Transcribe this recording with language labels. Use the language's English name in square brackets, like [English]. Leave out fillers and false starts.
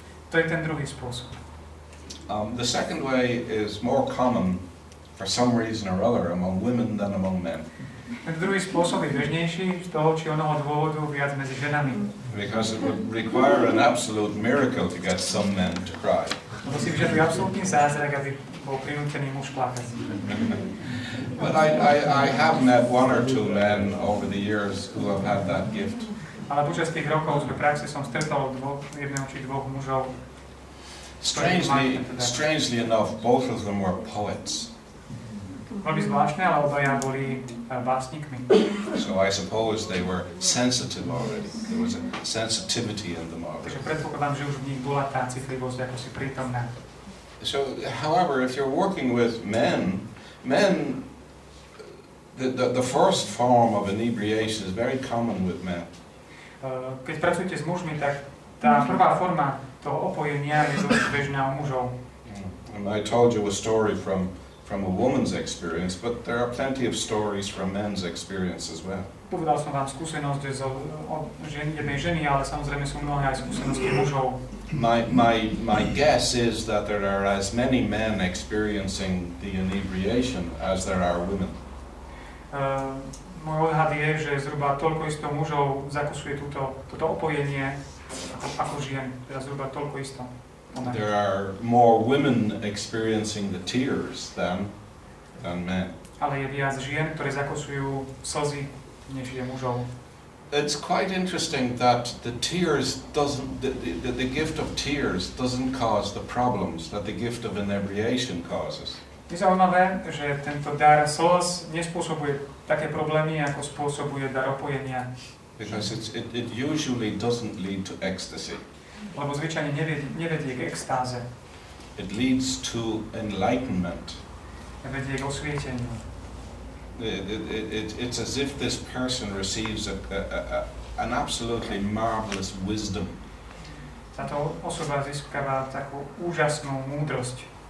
[Slovak] To je ten druhý spôsob. [English] The second way is more common for some reason or other among women than among men. [Slovak] Ten druhý spôsob je bežnejší z toho či onoho dôvodu viac medzi ženami. [English] Because it would require an absolute miracle to get some men to cry. [Slovak] Musí byť absolútny zázrak, aby bol prinútený muž plakať. [English] But I have met one or two men over the years who have had that gift. [Slovak] Ale počas tých rokov v praxi som stretol jedného či dvoch mužov. [English] Strangely enough, both of them were poets. [Slovak] Veľmi zvláštne, ale obaja boli básnikmi. [English] So I suppose they were sensitive already. There was a sensitivity in them already. [Slovak] Takže predpokladám, že už v nich bola tá citlivosť akosi prítomná. [English] So, however, if you're working with men, the first form of inebriation is very common with men. [Slovak] Keď pracujete s mužmi, tak tá prvá forma toho opojenia je dosť bežná u mužov. [English] And I told you a story from a woman's experience, but there are plenty of stories from men's experience as well. [Slovak] Povedal som vám skúsenosť jednej ženy, ale samozrejme sú mnohé aj skúsenosti mužov. [English] My guess is that there are as many men experiencing the inebriation as there are women. [Slovak] Môj odhad je, že zhruba toľko isto mužov zakusuje toto opojenie ako žien, teda zhruba toľko isto. [English] There are more women experiencing the tears than men. [Slovak] Ale je viac žien, ktoré zakusujú slzy, než je mužov. [English] It's quite interesting that the gift of tears doesn't cause the problems that the gift of inebriation causes. [Slovak] Je zaujímavé, že tento dar slz nespôsobuje také problémy, ako spôsobuje dar opojenia. [English] Because it usually doesn't lead to ecstasy. [Slovak] Lebo zvyčajne nevedie k extáze. [English] It leads to enlightenment. [Slovak] Vedie k osvieteniu. [English] It's as if this person receives an absolutely marvelous wisdom. [Slovak] Táto osoba získava takú úžasnú múdrosť.